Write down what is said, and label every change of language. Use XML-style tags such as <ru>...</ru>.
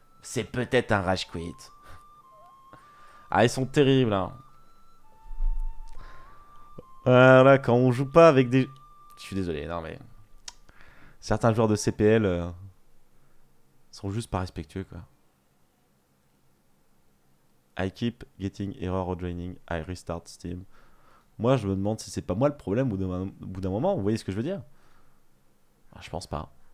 <fr>C'est peut-être un rage quit. Ah, ils sont terribles. Hein. Voilà, quand on joue pas avec des... Je suis désolé, non mais... Certains joueurs de CPL sont juste pas respectueux, quoi.</fr> <en>I keep getting error or joining, I restart Steam.</en> <fr>Moi, je me demande si c'est pas moi le problème au bout d'un moment, vous voyez ce que je veux dire? Je pense pas.</fr>